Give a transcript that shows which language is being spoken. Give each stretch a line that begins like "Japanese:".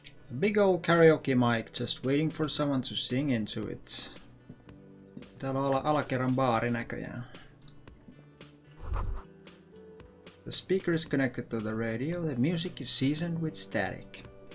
English: A big old karaoke mic just waiting for someone to sing into it.
Finnish: Täällä on alakerran baari näköjään.
English: The speaker is connected to the radio. The music is seasoned with static.